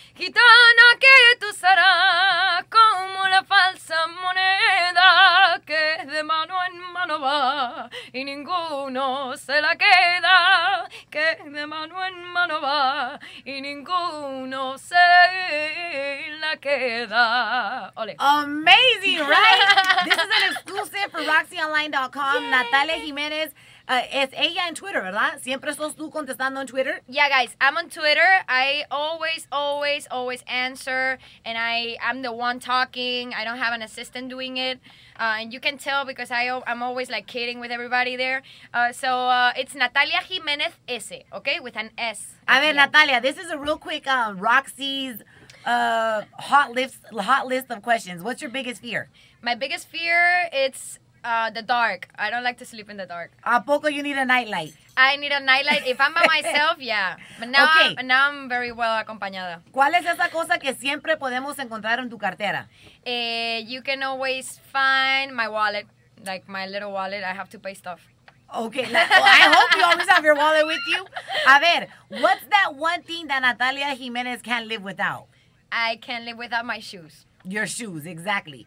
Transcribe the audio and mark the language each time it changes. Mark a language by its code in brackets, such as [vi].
[es] Gitana que tú serás como la falsa moneda que de mano en mano va y ninguno se la queda. Que de mano en mano va y ninguno se la queda. Ole. [en] Amazing, right? This is an exclusive for RoxyOnline.com. Yay. Natalia Jiménez. [es] Es ella en Twitter, ¿verdad? ¿Siempre sos tú contestando en Twitter? [en] Yeah, guys, I'm on Twitter. I always, always, always answer. And I'm the one talking. I don't have an assistant doing it. And you can tell because I'm always, like, kidding with everybody there. It's Natalia Jiménez S, okay? With an S. [es] A ver, [en] Natalia, this is a real quick Roxy's hot list of questions. What's your biggest fear? My biggest fear, it's... the dark. I don't like to sleep in the dark. [es] ¿A poco [en] you need a nightlight? I need a nightlight. If I'm by myself, yeah. But now I'm very well acompañada. [es] ¿Cuál es esa cosa que siempre podemos encontrar en tu cartera? [en] You can always find my wallet. Like my little wallet. I have to pay stuff. Okay. Well, I hope you always have your wallet with you. [es] A ver, [en] what's that one thing that Natalia Jiménez can't live without? I can't live without my shoes. Your shoes, exactly.